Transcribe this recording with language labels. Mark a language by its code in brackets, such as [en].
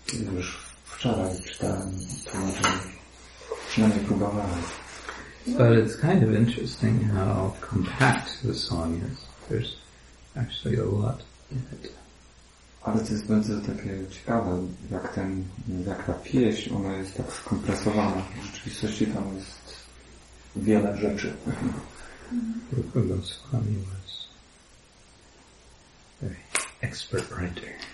[pl] Już wczoraj czytałem tłumaczenie. Przynajmniej próbowałem. [en] But it's kind of interesting how compact the song is. There's actually a lot in it. [pl] Ale to jest bardzo takie ciekawe, jak ta pieśń, ona jest tak skompresowana. W rzeczywistości tam jest wiele rzeczy. [en] Rupa Goswami was an expert writer.